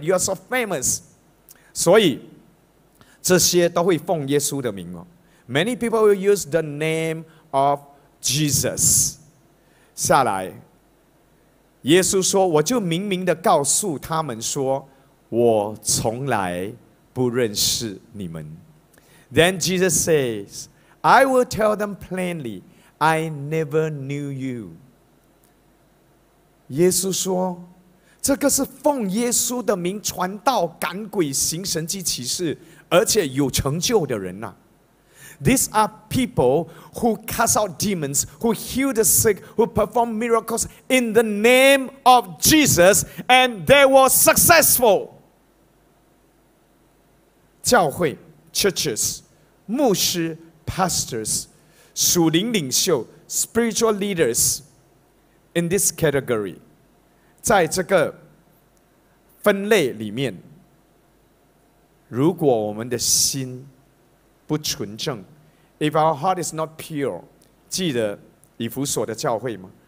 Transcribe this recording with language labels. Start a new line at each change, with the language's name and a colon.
English: You are so famous.
Chinese: 所以这些都会奉耶稣的名哦。
English: Many people will use the name of Jesus.
Chinese: 下来，耶稣说：“我就明明的告诉他们说，我从来不认识你们。”
English: Then Jesus says, "I will tell them plainly, I never knew you."
Chinese: 耶稣说。这个是奉耶稣的名传道赶鬼行神迹奇事而且有成就的人啊。
English: These are people who cast out demons, who heal the sick, who perform miracles in the name of Jesus, and they were successful.
Chinese: 教会 churches, 牧师 pastors, 属灵领袖 spiritual leaders,
English: in this category,
Chinese: 在这个分类里面，如果我们的心不纯正，
English: if our heart is not pure,
Chinese: 记得以弗所的教会吗？